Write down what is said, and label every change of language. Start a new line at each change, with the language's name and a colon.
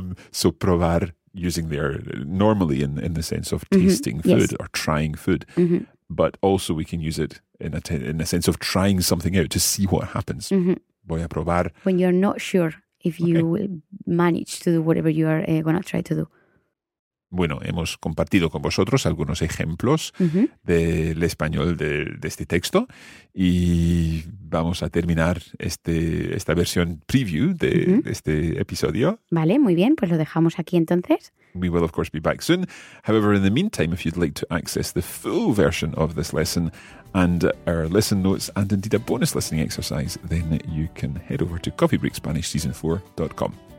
English: So probar, using there normally in the sense of tasting food or trying food. But also we can use it in a sense of trying something out to see what happens.
Spanish: Voy a probar.
English: When you're not sure if you will manage to do whatever you are going to try to do.
Spanish: Bueno, hemos compartido con vosotros algunos ejemplos del español de este texto y vamos a terminar esta versión preview de este episodio. Vale, muy bien, pues lo dejamos aquí entonces.
English: We will, of course, be back soon. However, in the meantime, if you'd like to access the full version of this lesson and our lesson notes and indeed a bonus listening exercise, then you can head over to coffeebreakspanishseason4.com.